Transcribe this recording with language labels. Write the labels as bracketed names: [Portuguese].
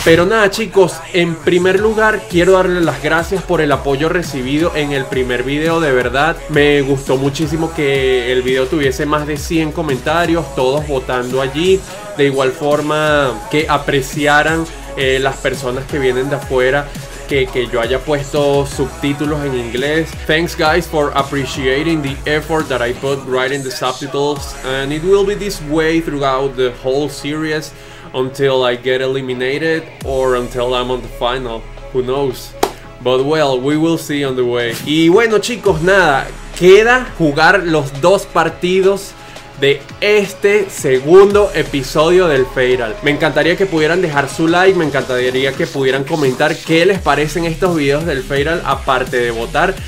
[Spanish] Pero nada, chicos, en primer lugar quiero darle las gracias por el apoyo recibido en el primer video. De verdad, me gustó muchísimo que el video tuviese más de 100 comentarios, todos votando allí. De igual forma, que apreciaran las personas que vienen de afuera que yo haya puesto subtítulos en inglés. [English] Thanks guys for appreciating the effort that I put writing the subtitles, and it will be this way throughout the whole series until I get eliminated or until I'm on the final, who knows, but well, we will see on the way. [Spanish] Y bueno, chicos, nada, queda jugar los dos partidos de este segundo episodio del Fatal. Me encantaría que pudieran dejar su like, me encantaría que pudieran comentar qué les parecen estos videos del Fatal, aparte de votar.